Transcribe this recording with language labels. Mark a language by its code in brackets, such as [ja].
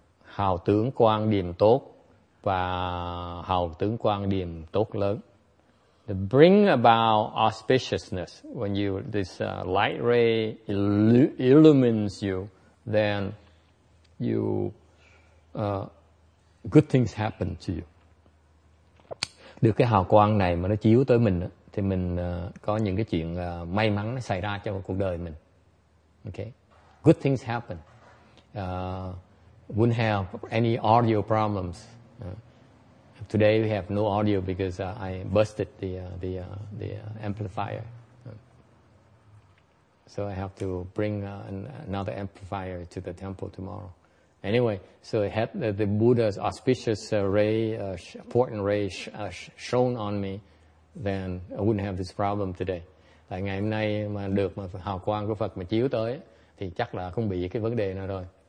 [vi] Hào tướng quang điểm tốt và hào tướng quang điểm tốt lớn. [en] To bring about auspiciousness, when you this light ray illumines you, then you good things happen to you. [vi] Được cái hào quang này mà nó chiếu tới mình thì mình có những cái chuyện may mắn nó xảy ra cho cuộc đời mình. [en] Okay, good things happen. Wouldn't have any audio problems. Today we have no audio because I busted the amplifier. So I have to bring another amplifier to the temple tomorrow. Anyway, so it had the Buddha's auspicious ray, important ray shone on me, then I wouldn't have this problem today. [vi] Tại ngày hôm nay mà được mà hào quang của Phật mà chiếu tới thì chắc là không bị cái vấn đề nào rồi.